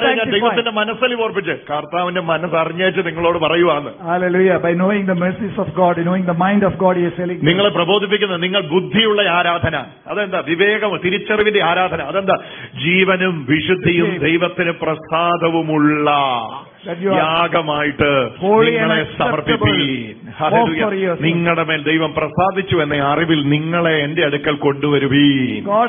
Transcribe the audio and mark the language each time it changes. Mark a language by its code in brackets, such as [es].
[ml] ദൈവത്തിന്റെ മനസ്സിൽ ഓർപ്പിച്ച് കർത്താവിന്റെ മനസ്സ് അറിഞ്ഞേച്ച് നിങ്ങളോട് പറയുവാന്ന്. [en] Hallelujah. By knowing the mercies of God, knowing the mind of God, he is telling. [ml] നിങ്ങളെ പ്രബോധിപ്പിക്കുന്ന നിങ്ങൾ ബുദ്ധിയുള്ള ആരാധന, അതെന്താ? വിവേകം, തിരിച്ചറിവിന്റെ ആരാധന, അതെന്താ? ജീവനും വിശുദ്ധിയും ദൈവത്തിന് പ്രസാദവുമുള്ള യാഗമായിട്ട് നിങ്ങളെ സമർപ്പിപ്പീൻ. നിങ്ങളുടെ മേൽ ദൈവം പ്രസാദിച്ചു എന്ന അറിവിൽ നിങ്ങളെ എന്റെ അടുക്കൽ കൊണ്ടുവരുവീൻ.